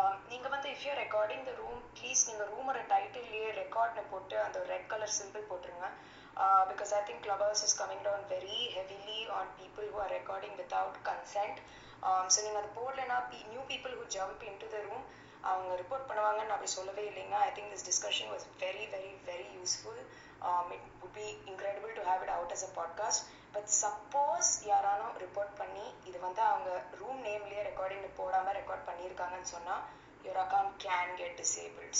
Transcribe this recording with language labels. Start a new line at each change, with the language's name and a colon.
Tamil: நீங்க வந்து
English: if you're recording the room,
Tamil: please நீங்க ரூமோட டைட்டிலேயே ரெக்கார்ட்னு போட்டு அந்த ரெட் கலர் சிம்பிள் போட்டுருங்க.
English: Because I think Clubhouse is coming down very heavily on people who are recording without consent.
Tamil: So நீங்க அதை போடலைனா
English: new people who jump into the room,
Tamil: அவங்க report பண்ணுவாங்கன்னு அப்படி சொல்லவே இல்லைங்க.
English: I think this discussion was very very very useful. It would be incredible to have it out as a podcast.
Tamil: But suppose யாரானோ report பண்ணி இது வந்து அவங்க room நேம்லேயே recording போடாமல் ரெக்கார்ட் பண்ணியிருக்காங்கன்னு சொன்னால்
English: Your account can get disabled.